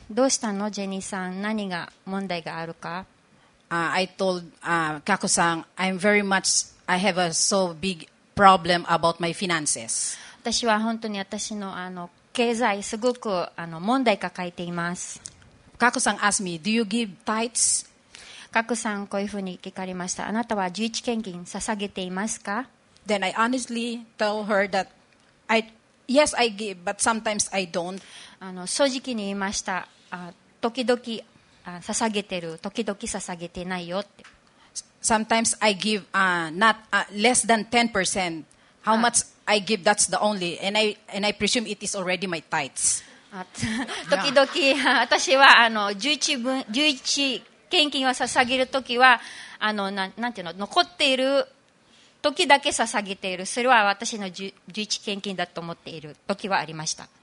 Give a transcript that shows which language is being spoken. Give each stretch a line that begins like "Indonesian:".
Japanese: どうしたの、ジェニーさん？何が問題があるか？
English: I told Kako さん、I have a so big problem about my finances.
Japanese: 私は本当に私の経済すごく問題抱えています。
English: Kako さん asked me, Do you give tithes?
Japanese: Kako さんこういうふうに聞かれました。あなたは11献金捧げていますか？
English: Then I honestly told her thatYes, I give, but sometimes I don't.
Japanese: 正直に言いました。時々捧げてる、時々捧げてないよって。
English: Sometimes I give less than 10%. How much I give, that's the only. And I presume it is already my tithes.
Japanese: 時々、私は11献金を捧げるときは、なんていうの、残っている時だけ捧げている。それは私の11献金だと思っている時はありました。